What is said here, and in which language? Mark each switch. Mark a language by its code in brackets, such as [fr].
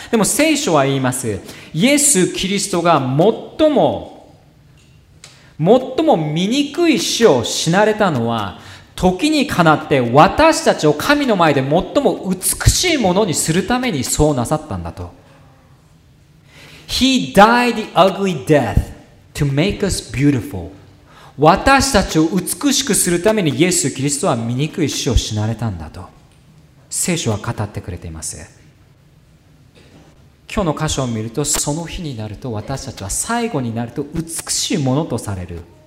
[ja] でも聖書は言います、イエス・キリストが最も醜い死を死なれたのは、時にかなって私たちを神の前で最も美しいものにするためにそうなさったんだと。 [en] He died the ugly death to make us beautiful. [ja] 私たちを美しくするためにイエス・キリストは醜い死を死なれたんだと聖書は語ってくれています。今日の箇所を見ると、その日になると私たちは最後になると美しいものとされる。